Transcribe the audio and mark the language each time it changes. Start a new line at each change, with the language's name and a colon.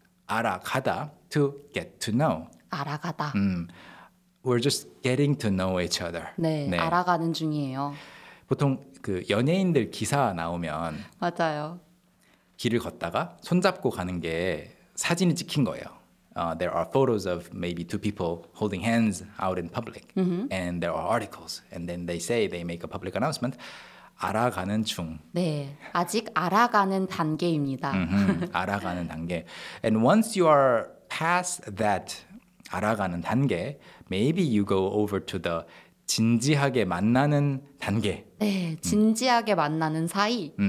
English: 알아가다 to get to know.
Korean: 알아가다.
English: We're just getting to know each other.
Korean: 네, 네. 알아가는 중이에요. 보통 그 연예인들 기사 나오면 맞아요. 길을 걷다가 손잡고 가는 게 사진이 찍힌 거예요.
English: There are photos of maybe two people holding hands out in public. Mm-hmm. And there are articles. And then they say, they make a public announcement.
Korean: 알아가는 중. 네, 아직 알아가는 단계입니다. 알아가는 단계.
English: And once you are past that
Korean: 알아가는 단계,
English: maybe you go over to the
Korean: 진지하게 만나는 단계. 네, 진지하게 만나는 사이.